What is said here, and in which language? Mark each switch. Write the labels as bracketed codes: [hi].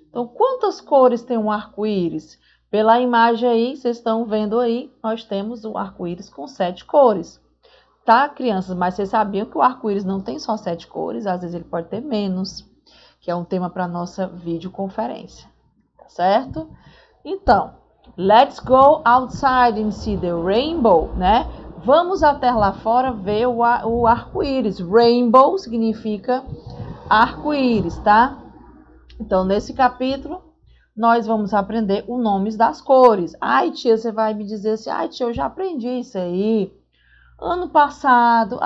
[pt] Então, quantas cores tem um arco-íris? Pela imagem aí, vocês estão vendo aí, nós temos o arco-íris com 7 cores. Tá, crianças? Mas vocês sabiam que o arco-íris não tem só 7 cores? Às vezes ele pode ter menos, que é um tema para nossa videoconferência. Tá certo? [en] Então, let's go outside and see the rainbow, né? [pt] Vamos até lá fora ver o arco-íris. Rainbow significa arco-íris, tá? Então, nesse capítulo, nós vamos aprender os nomes das cores. Ai, tia, você vai me dizer assim: ai, tia, eu já aprendi isso aí ano passado.